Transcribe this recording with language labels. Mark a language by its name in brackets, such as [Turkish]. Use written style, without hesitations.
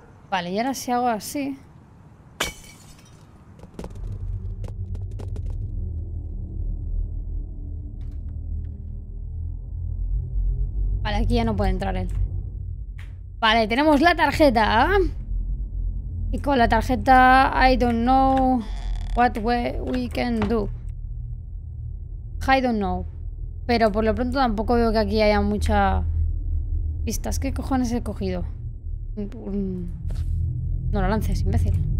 [Spanish] Vale, y ahora si hago así. Vale, aquí ya no puede entrar él. Vale, tenemos la tarjeta. Y con la tarjeta, [English] I don't know what we can do. I don't know. [Spanish] Pero por lo pronto tampoco veo que aquí haya mucha pistas. ¿Qué cojones he cogido? No lo lances, imbécil.